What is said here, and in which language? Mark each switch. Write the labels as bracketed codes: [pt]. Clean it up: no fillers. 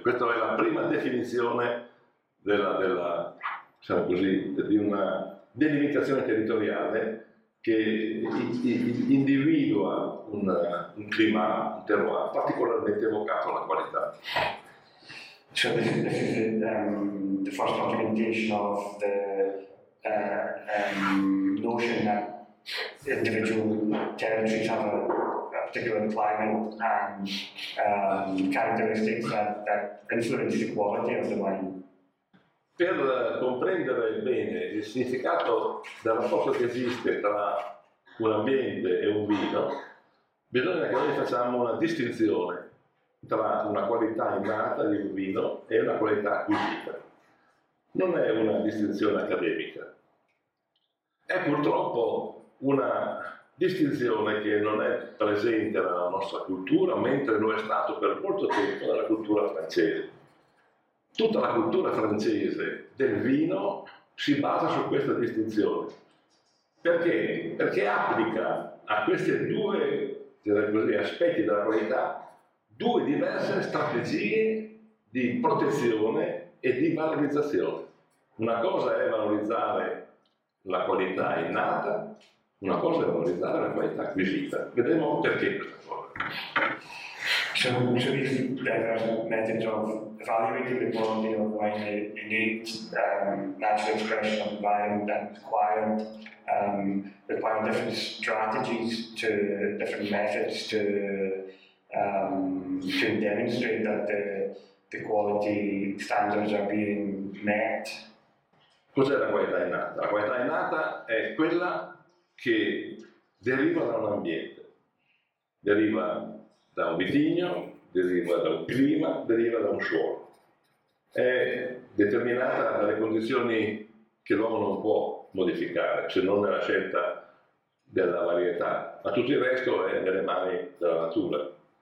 [it] Questa è la prima definizione della diciamo così, di una delimitazione territoriale che individua un clima, un terroir particolarmente evocato alla qualità. [en] So this is the first documentation of the notion that individual territories have a particular climate and characteristics that influence the quality of the wine. [it] Per comprendere bene il significato del rapporto che esiste tra un ambiente e un vino, bisogna che noi facciamo una distinzione tra una qualità innata di un vino e una qualità acquisita. Non è una distinzione accademica. È purtroppo una distinzione che non è presente nella nostra cultura, mentre lo è stato per molto tempo nella cultura francese. Tutta la cultura francese del vino si basa su questa distinzione. Perché? Perché applica a questi due aspetti della qualità due diverse strategie di protezione e di valorizzazione. Una cosa è valorizzare la qualità innata, una cosa è valorizzare la qualità acquisita. Vedremo perché questa cosa. [en] So these diverse methods of evaluating the quality of wine, the innate natural expression of the vine that required different strategies to different methods to demonstrate that the quality standards are being met. [it] Cos'è la qualità innata? La qualità innata è quella che deriva da un ambiente, deriva da un vitigno, deriva da un clima, deriva da un suolo. È determinata dalle condizioni che l'uomo non può modificare, se non nella scelta della varietà, ma tutto il resto è nelle mani della natura.